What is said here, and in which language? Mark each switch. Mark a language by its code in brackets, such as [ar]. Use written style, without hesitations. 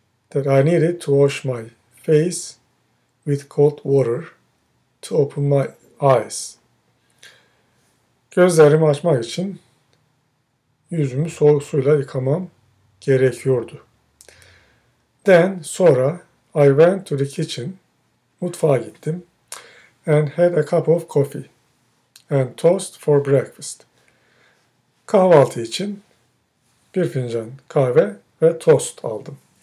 [en] That I needed to wash my face with cold water to open my eyes. [tr] Gözlerimi açmak için yüzümü soğuk suyla yıkamam gerekiyordu. [en] Then, sonra I went to the kitchen, [tr] mutfağa gittim, [en] and had a cup of coffee and toast for breakfast. [tr] Kahvaltı için bir fincan kahve ve tost aldım.